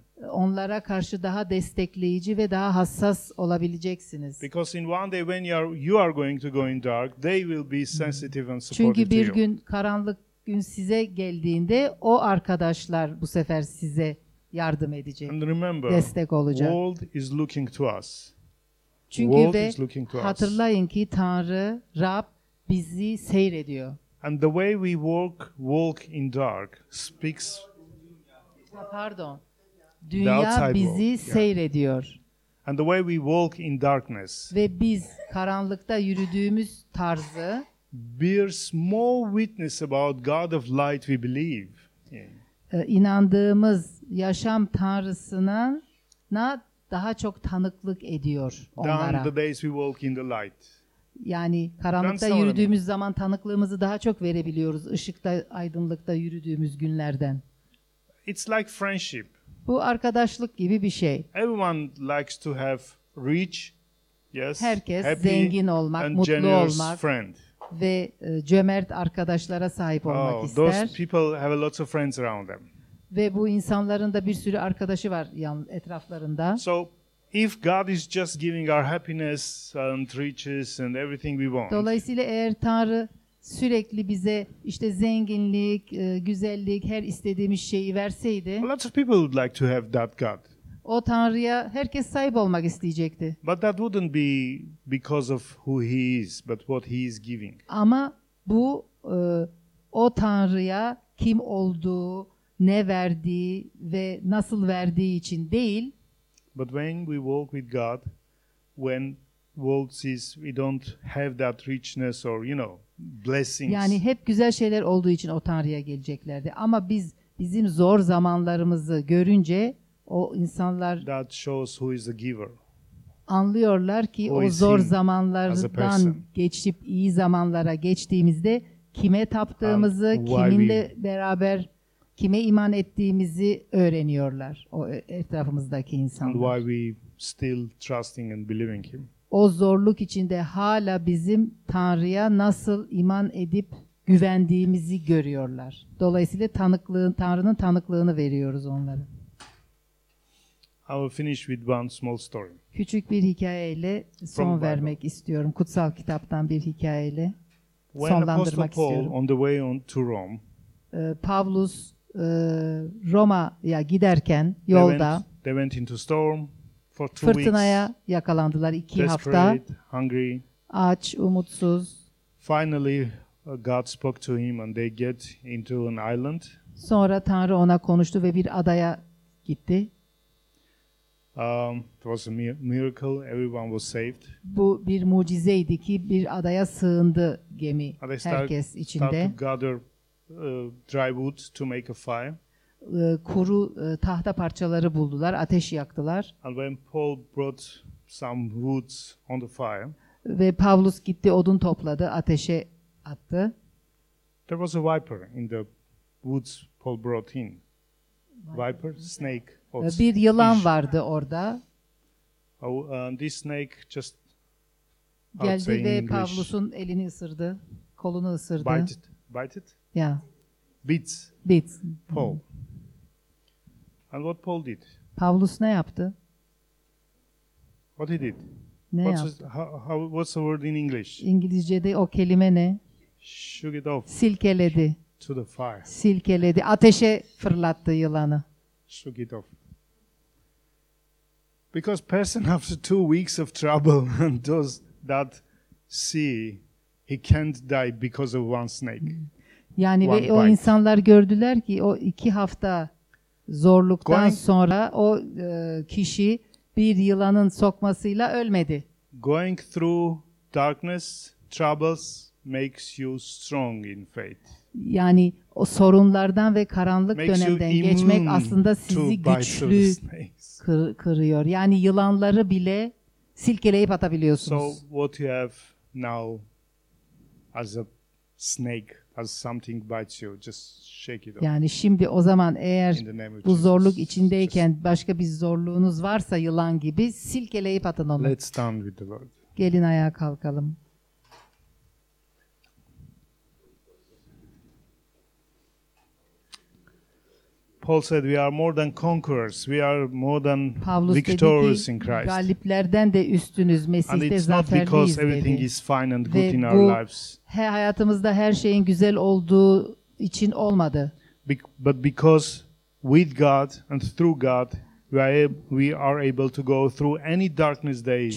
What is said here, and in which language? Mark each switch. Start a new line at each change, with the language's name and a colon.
Turkish: Onlara karşı daha destekleyici ve daha hassas olabileceksiniz.
English: Because in one day when you are going to go in dark, they will be sensitive and supportive.
Turkish: Çünkü bir gün karanlık gün size geldiğinde o arkadaşlar bu sefer size yardım edecek.
English: And remember,
Turkish: destek olacak.
English: World is looking to us.
Turkish: Çünkü
English: world
Turkish: ve
English: is looking to
Turkish: hatırlayın
English: us.
Turkish: Ki Tanrı, Rab bizi seyrediyor.
English: And the way we walk in dark speaks.
Turkish: Pardon. Dünya bizi
English: world.
Turkish: Seyrediyor.
English: Yeah. And the way we walk in darkness.
Turkish: Ve biz karanlıkta yürüdüğümüz tarzı
English: bears more witness about God of light we believe in.
Turkish: İnandığımız yaşam tanrısına daha çok tanıklık ediyor onlara.
English: The days we walk in the light.
Turkish: Yani karanlıkta yürüdüğümüz zaman tanıklığımızı daha çok verebiliyoruz ışıkta, aydınlıkta yürüdüğümüz günlerden.
English: It's like friendship.
Turkish: Bu arkadaşlık gibi bir şey.
English: Everyone likes to have rich, yes,
Turkish: herkes zengin olmak, mutlu olmak
English: friend.
Turkish: Ve cömert arkadaşlara sahip olmak ister.
English: Those people have a lot of friends around them.
Turkish: Ve bu insanların da bir sürü arkadaşı var etraflarında.
English: So, if God is just giving our happiness and riches and everything we want.
Turkish: Dolayısıyla eğer Tanrı sürekli bize işte zenginlik, güzellik, her istediğimiz şeyi verseydi.
English: A lot of people would like to have that God.
Turkish: O Tanrı'ya herkes sahip olmak isteyecekti.
English: But that wouldn't be because of who he is, but what he is giving.
Turkish: Ama bu o Tanrı'ya kim olduğu, ne verdiği ve nasıl verdiği için değil.
English: But when we walk with God, when world sees we don't have that richness or you know blessings.
Turkish: Yani hep güzel şeyler olduğu için o Tanrı'ya geleceklerdi. Ama biz bizim zor zamanlarımızı görünce o insanlar
English: that shows who is the giver.
Turkish: Anlıyorlar ki
English: who
Turkish: o zor zamanlardan geçip iyi zamanlara geçtiğimizde kime taptığımızı, kiminle beraber kime iman ettiğimizi öğreniyorlar o etrafımızdaki insanlar.
English: And why we still trusting and believing him.
Turkish: O zorluk içinde hala bizim Tanrı'ya nasıl iman edip güvendiğimizi görüyorlar. Dolayısıyla Tanrı'nın tanıklığını veriyoruz onlara.
English: I will finish with one small story.
Turkish: Küçük bir hikayeyle son vermek istiyorum. Kutsal kitaptan bir hikayeyle
English: when
Turkish: sonlandırmak
English: Apostle Paul
Turkish: istiyorum.
English: On the way on to Rome,
Turkish: Pavlus Roma'ya giderken yolda
English: they went into storm for two
Turkish: fırtınaya
English: weeks,
Turkish: yakalandılar iki
English: desperate,
Turkish: hafta.
English: Hungry,
Turkish: aç, umutsuz.
English: Finally, God spoke to him and they get into an island.
Turkish: Sonra Tanrı ona konuştu ve bir adaya gitti.
English: It was a miracle. Everyone was saved.
Turkish: Bu bir mucizeydi ki bir adaya sığındı gemi herkes içinde.
English: They started to gather dry wood to make a fire.
Turkish: Kuru tahta parçaları buldular, ateş yaktılar.
English: And when Paul brought some wood on the fire.
Turkish: Ve Pavlus gitti odun topladı, ateşe attı.
English: There was a viper in the woods Paul brought in. Viper, snake.
Turkish: Bir yılan vardı orada.
English: This snake just
Turkish: geldi ve Pavlus'un elini ısırdı, kolunu ısırdı.
English: Bite it? Yeah. Bit. Paul. And what Paul did?
Turkish: Pavlus ne yaptı?
English: What he did?
Turkish: Ne
English: what's
Turkish: yaptı?
English: What's the word in English?
Turkish: İngilizce'de o kelime ne?
English: Shook it off.
Turkish: Silkeledi.
English: To the fire.
Turkish: Silkeledi. Ateşe fırlattı yılanı.
English: Shook it off. Because person after two weeks of trouble and does that sea, he can't die because of one snake.
Turkish: Yani
English: one
Turkish: ve o
English: bite.
Turkish: İnsanlar gördüler ki o iki hafta zorluktan
English: going,
Turkish: sonra o kişi bir yılanın sokmasıyla ölmedi.
English: Going through darkness, troubles makes you strong in faith.
Turkish: Yani o sorunlardan ve karanlık
English: makes
Turkish: dönemden geçmek aslında sizi güçlü kırıyor. Yani yılanları bile silkeleyip atabiliyorsunuz.
English: So what you have now as a snake, as something bites you, just shake it off.
Turkish: Yani şimdi o zaman eğer bu zorluk içindeyken başka bir zorluğunuz varsa yılan gibi silkeleyip atın onu.
English: Let's stand with the Lord.
Turkish: Gelin ayağa kalkalım.
English: Paul said we are more than conquerors. We are more than victorious in Christ.
Turkish: Pavlus dedi ki galiplerden de üstünüz, Mesih'te zaferliyiz dedi.
English: And it's not because everything is fine and good in our lives.
Turkish: Ve bu hayatımızda her şeyin güzel olduğu için olmadı.
English: But because with God and through God we are able to go through any darkness days.